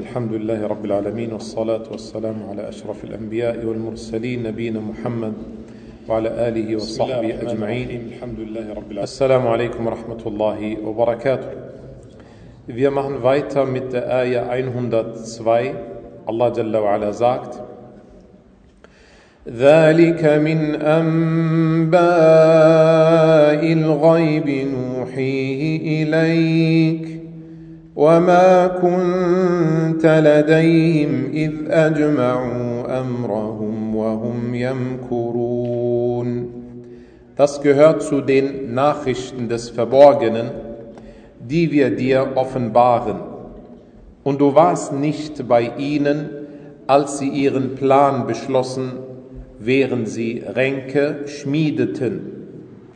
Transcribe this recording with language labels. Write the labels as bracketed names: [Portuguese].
[Arabic] الحمد لله رب العالمين، والصلاة والسلام على أشرف الأنبياء والمرسلين نبينا محمد وعلى آله وصحبه أجمعين. الحمد لله رب العالمين. السلام عليكم ورحمة الله وبركاته. [German] Wir machen weiter mit der Ayah 102. Allah Jalla wa Ala sagt: [Arabic] ذلك من أنباء الغيب نوحيه إليك وما كنت لديهم إذ أجمعوا أمرهم وهم يمكرون. [German] Das gehört zu den Nachrichten des Verborgenen, die wir dir offenbaren. Und du warst nicht bei ihnen, als sie ihren Plan beschlossen, während sie Ränke schmiedeten.